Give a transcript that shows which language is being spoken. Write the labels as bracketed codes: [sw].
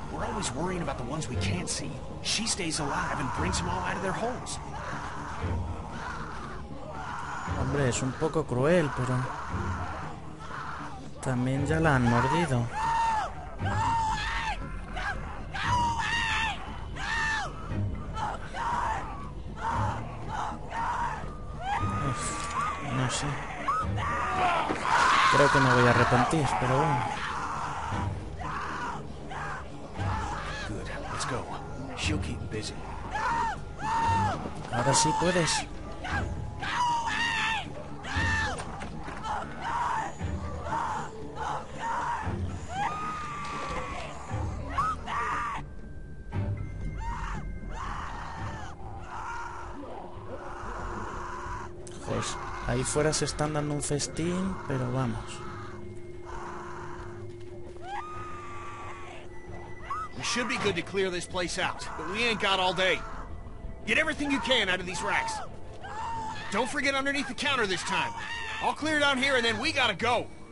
[en] We're always worrying about the ones we can't see. She stays alive and brings them all out of their holes. [es] Hombre, es un poco cruel, pero también ya la han mordido. Uf, no sé. Creo que me voy a arrepentir, pero bueno. [en] Good, let's go. She'll keep busy. [es] Ahora sí puedes. Ahí fuera se están dando un festín, pero vamos. [en] We should be good to clear this place out, but we ain't got all day. Get everything you can out of these racks. Don't forget underneath the counter this time. I'll clear down here and then we gotta go.